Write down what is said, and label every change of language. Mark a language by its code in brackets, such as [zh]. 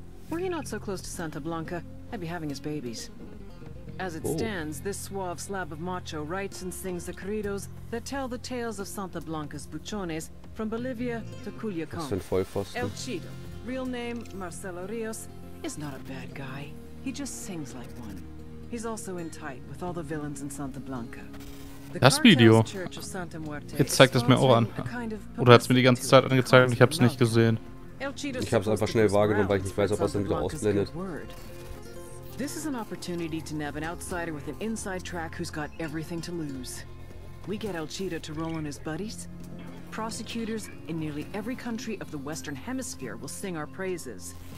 [en] Were he not so close to Santa Blanca, I'd be having his babies. As it stands, this suave slab of macho writes and sings the Corridos that tell the tales of Santa Blanca's buchones from Bolivia to Culiacán. El Chido, real name Marcelo Rios, is not a bad guy. He just sings like one. He's also in tight with all the villains in Santa Blanca. [de] Das Video. Jetzt zeigt es mir auch an. Oder hat es mir die ganze Zeit angezeigt und ich habe es nicht gesehen. Ich habe es einfach schnell wahrgenommen, weil ich nicht weiß, ob es dann wieder ausblendet. [en] This is an opportunity to nab an outsider with an inside track who's got everything to lose. We get El Chido to roll on his buddies. Prosecutors in nearly every country of the Western Hemisphere will sing our praises.